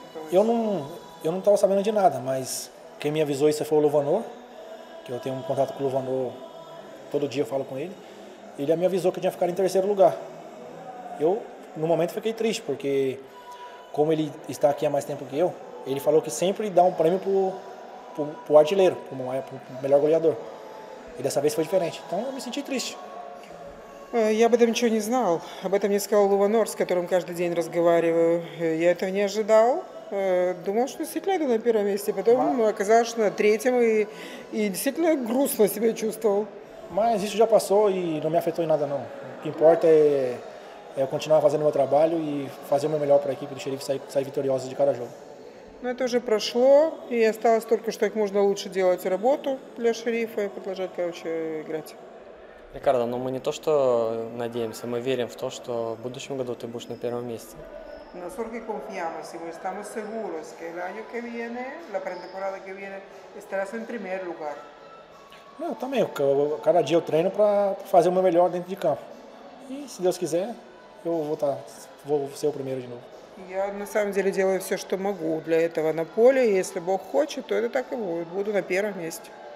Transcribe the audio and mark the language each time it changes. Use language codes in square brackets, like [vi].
[es] Yo no estaba sabiendo de nada, mas quien me avisó eso fue Luvanor, que yo tengo un contacto con Luvanor todo día, falo con él. Él me avisó que yo iba a ficar en tercer lugar. Yo, en un momento, [pt] fiquei triste, [es] porque como él está aquí há más tiempo que yo, él falou que siempre da un premio pro artilheiro, [pt] como é pro melhor goleador. И dessa vez foi diferente. Então, eu me senti triste. [ru] Я об этом ничего не знал. Об этом мне сказал Луванор, с которым каждый день разговариваю. Я этого не ожидал. Думал, что действительно это на первом месте. Потом оказалось, что на третьем. И действительно грустно себя чувствовал. [pt] Mas isso já passou e não me afetou em nada, não. O que importa é eu continuar fazendo meu trabalho e fazer o meu melhor para a equipe do Xerife sair vitoriosa de cada jogo. [ru] Но это уже прошло, и осталось только, что как можно лучше делать работу для Шерифа и продолжать, короче, играть. Рикардо, но мы не то что надеемся, мы верим в то, что в будущем году ты будешь на первом месте. Насколько мы [es] confiamos, [ru] мы [es] estamos seguros que el año que viene, la pretemporada que viene, estarás en primer lugar. [ru] Ну, я [es] también, cada día [pt] treino para fazer o meu melhor dentro de campo. И, se Deus quiser, eu vou ser o primeiro de novo. [ru] Я на самом деле делаю все, что могу для этого на поле. Если Бог хочет, то это так и будет. Буду на первом месте.